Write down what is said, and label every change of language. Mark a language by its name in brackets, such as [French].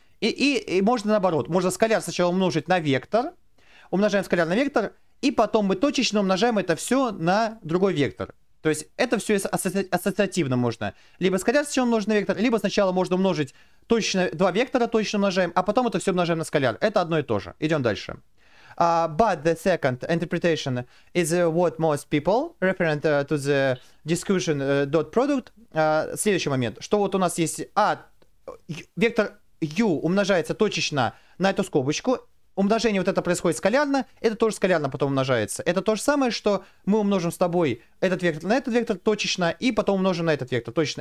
[Russian] И можно наоборот. Можно скаляр сначала умножить на вектор, умножаем скаляр на вектор, и потом мы точечно умножаем это все на другой вектор. То есть это все ассоциативно можно. Либо скаляр сначала умножить на вектор, либо сначала можно умножить точечно, два вектора точечно умножаем, а потом это все умножаем на скаляр. Это одно и то же. Идем дальше. [English] But the second interpretation is what most people referring to the discussion dot product. [Russian] Следующий момент, что вот у нас есть вектор u умножается точечно на эту скобочку. Умножение вот это происходит скалярно, это тоже скалярно потом умножается. Это то же самое, что мы умножим с тобой этот вектор на этот вектор точечно и потом умножим на этот вектор точечно.